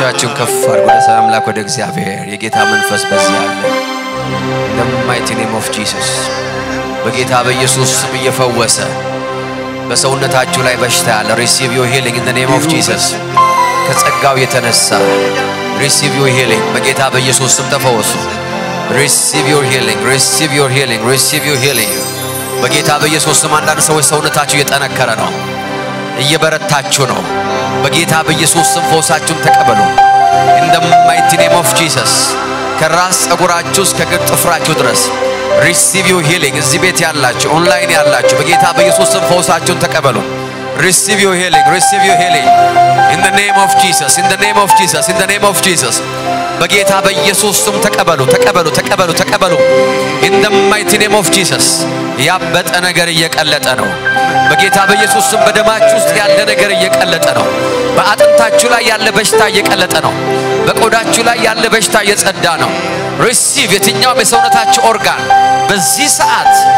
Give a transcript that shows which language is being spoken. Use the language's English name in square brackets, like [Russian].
[Amharic] እግዚአብሔር የጌታ መንፈስ በዚያ አለ። [English] In the mighty name of Jesus. [Amharic] በጌታ በኢየሱስ ስም እየፈወሰ በሰውነታችሁ ላይ በሽታ ያለ [English] receive your healing in the name of Jesus. [Amharic] ከጸጋው የተነሳ [English] receive your healing [Amharic] በጌታ በኢየሱስ ስም ተፈወሱ። [English] Receive your healing, receive your healing, receive your healing. [Amharic] በጌታ በኢየሱስ ስም አንዳንድ ሰዎች ሰውነታችሁ እየጠነከረ ነው። እየበረታችሁ ነው። በጌታ በኢየሱስ ስም ፈውሳችሁን ተቀበሉ። [English] In the mighty name of Jesus. [Amharic] ከራስ አጉራችሁ እስከ ጥፍራችሁ ድረስ [English] receive your healing. [Amharic] እዚህ ቤት ያላችሁ ኦንላይን ያላችሁ በጌታ በኢየሱስ ስም ፈውሳችሁን ተቀበሉ። [English] Receive your healing, receive your healing. In the name of Jesus, in the name of Jesus, in the name of Jesus. [Amharic] በጌታ በኢየሱስ ስም ተቀበሉ ተቀበሉ ተቀበሉ ተቀበሉ። [English] In the mighty name of Jesus. [Amharic] ያበጠ ነገር እየቀለጠ ነው። በጌታ በኢየሱስ ስም በደማችሁ ውስጥ ያለ ነገር እየቀለጠ ነው። በአጥንታችሁ ላይ ያለ በሽታ እየቀለጠ ነው። በቆዳችሁ ላይ ያለ በሽታ እየጸዳ ነው። ሪሲቭ የትኛው በሰውነታችሁ ኦርጋን በዚህ ሰዓት